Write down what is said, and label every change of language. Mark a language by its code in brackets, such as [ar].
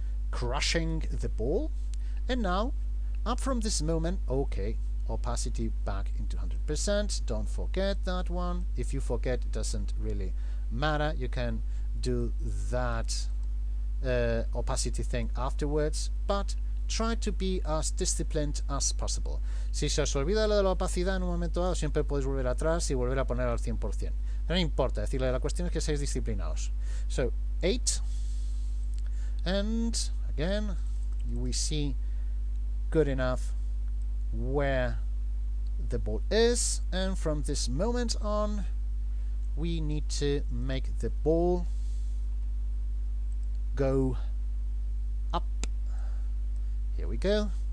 [en] crushing the ball. And now, up from this moment, okay, opacity back into 100%. Don't forget that one. If you forget, it doesn't really matter. You can do that opacity thing afterwards, but try to be as disciplined as possible. [es] Si se os olvida lo de la opacidad en un momento dado, siempre podéis volver atrás y volver a poner al 100%. No importa, decirle, la cuestión es que seáis disciplinados. [en] So, 8. And, again, we see good enough where the ball is. And from this moment on, we need to make the ball go up. Here we go.